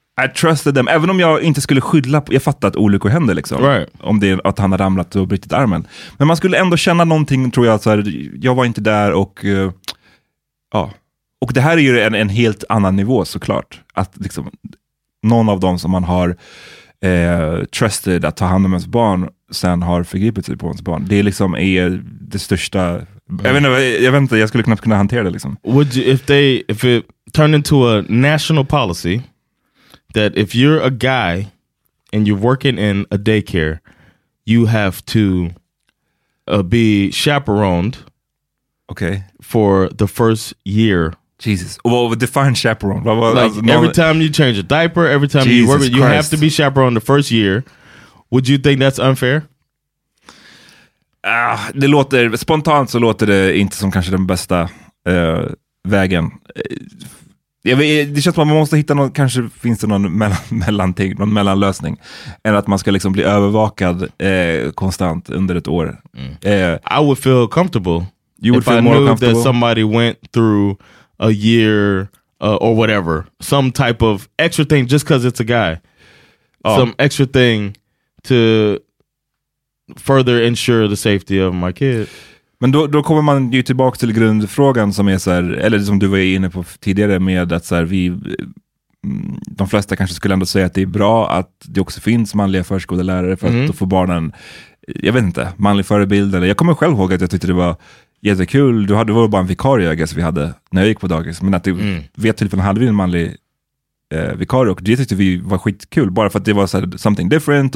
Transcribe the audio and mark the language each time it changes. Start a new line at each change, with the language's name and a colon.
English: I trusted them,
Swedish: även om jag inte skulle skylla på, jag fattar att olyckor händer liksom, om det är att han har ramlat och brutit armen, men man skulle ändå känna någonting, tror jag, så här, jag var inte där, och ja, och det här är ju en helt annan nivå, såklart, att liksom, någon av dem som man har trusted att ta hand om ens barn, sen har förgripit sig på ens barn, det liksom är det största, jag vet inte, jag skulle knappt kunna hantera det liksom.
English: Would you, if it turned into a national policy that if you're a guy and you're working in a daycare, you have to be chaperoned, okay, for the first year. Jesus. Well, define chaperone. Like every time you change a diaper, every time Jesus you work, you have to be chaperoned the first year. Would you think that's unfair?
Swedish: Det låter, spontant så låter det inte som kanske den bästa vägen. Jag vet, det känns som att man måste hitta någon, kanske finns det någon mellanting, någon mellanlösning, än att man ska liksom bli övervakad konstant under ett år.
English: I would feel comfortable. You would feel more comfortable that somebody went through a year or whatever, some type of extra thing just because it's a guy. Some extra thing to further ensure the safety of my kid.
Swedish: Men då kommer man ju tillbaka till grundfrågan som är så här, eller som du var inne på tidigare, med att så här, vi, de flesta kanske skulle ändå säga att det är bra att det också finns manliga förskolelärare, för att då får barnen, jag vet inte, manlig förebild. Eller jag kommer själv ihåg att jag tyckte det var jättekul, du hade, var bara en vikarie jag guess, vi hade när jag gick på dagis, men att du vet till för hade vi en manlig vikarie, och det tyckte vi var skitkul, bara för att det var så här,
English: something different.